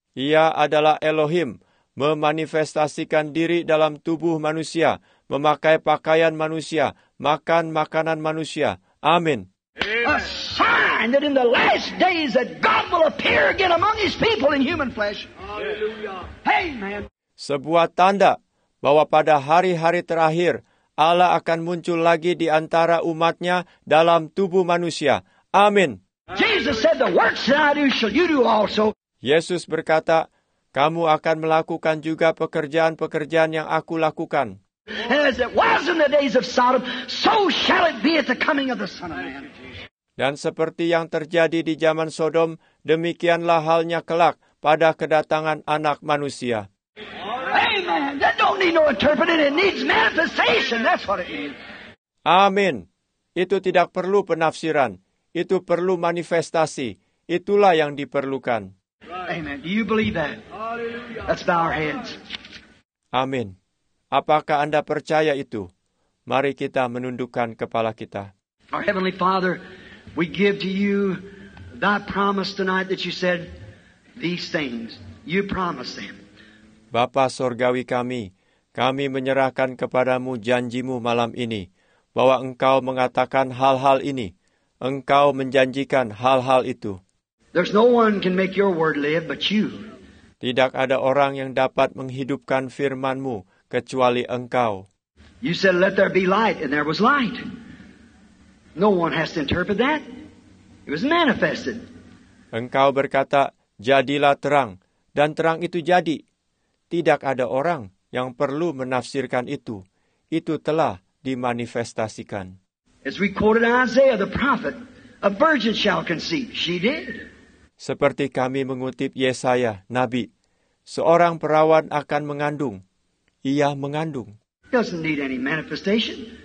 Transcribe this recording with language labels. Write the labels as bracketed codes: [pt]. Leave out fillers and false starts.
[id] Ia adalah Elohim. Memanifestasikan diri dalam tubuh manusia, memakai pakaian manusia, makan makanan manusia. Amin. [en] A sign that in the last days that God will appear again among his people in human flesh. Hallelujah. Amen. [id] Sebuah tanda bahwa pada hari-hari terakhir Allah akan muncul lagi di antara umat-Nya dalam tubuh manusia. Amin. [en] Jesus said the works that I do shall you do also. [id] Yesus berkata, kamu akan melakukan juga pekerjaan-pekerjaan yang aku lakukan. [en] As it was in the days of Sodom, so shall it be at the coming of the Son of Man. [id] Dan seperti yang terjadi di zaman Sodom, demikianlah halnya kelak pada kedatangan Anak Manusia. [en] Amen. That don't need no interpreting. It needs manifestation. That's what it means. [id] Amin. Itu tidak perlu penafsiran. Itu perlu manifestasi. Itulah yang diperlukan. [en] Amen. Do you believe that? Hallelujah. Let's bow our heads. [id] Amin. Apakah Anda percaya itu? Mari kita menundukkan kepala kita. [en] Our Heavenly Father, we give to you that promise tonight that you said these things. You promised them. [id] Bapa Sorgawi kami, kami menyerahkan kepadamu janjimu malam ini, bahwa engkau mengatakan hal-hal ini. Engkau menjanjikan hal-hal itu. [en] There's no one can make your word live but you. [id] Tidak ada orang yang dapat menghidupkan firman-Mu kecuali Engkau. [en] You said let there be light and there was light. No one has to interpret that. It was manifested. [id] Engkau berkata, jadilah terang dan terang itu jadi. Tidak ada orang yang perlu menafsirkan itu. Itu telah dimanifestasikan. [en] As we quoted Isaiah the prophet, a virgin shall conceive. She did. [id] Seperti kami mengutip Yesaya, Nabi, seorang perawan akan mengandung. Ia mengandung. [en] Doesn't need any manifestation.